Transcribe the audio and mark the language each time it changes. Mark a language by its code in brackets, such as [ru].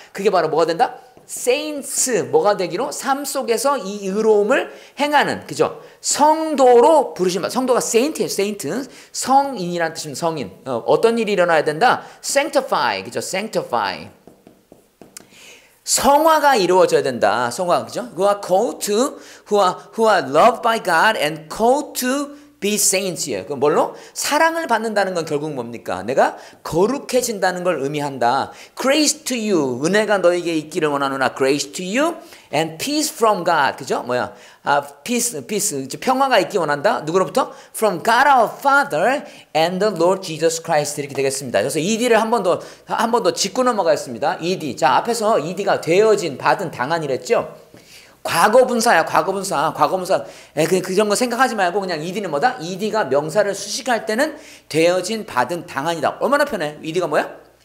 [ko] 그게 바로 뭐가 된다? Saints, 뭐가 되기로? 삶 속에서 이 의로움을 행하는, 그죠? 성도로 부르신 바, 성도가 saint, 성인이라는 뜻입니다, 성인. 어떤 일이 일어나야 된다? [en] Sanctify, 그죠? Sanctify. [ko] 성화가 이루어져야 된다. 성화, 그죠? [en] Who are loved by God and called to be saints. [ko] 그럼 뭘로? 사랑을 받는다는 건 결국 뭡니까? 내가 거룩해진다는 걸 의미한다. [en] Grace to you. [ko] 은혜가 너에게 있기를 원하노라. [en] Grace to you and peace from God. [ko] 그죠? 뭐야? 아, [en] peace. [ko] 평화가 있기 원한다. 누구로부터? [en] From God our Father and the Lord Jesus Christ. [ko] 이렇게 되겠습니다. 그래서 ED를 한 번 더 짚고 넘어가겠습니다. ED. 자, 앞에서 ED가 되어진, 받은, 당한 이랬죠? 과거분사. 그런 거 생각하지 말고 그냥 ED는 뭐다? ED가 명사를 수식할 때는 되어진, 받은, 당한이다. 얼마나 편해? ED가 뭐야?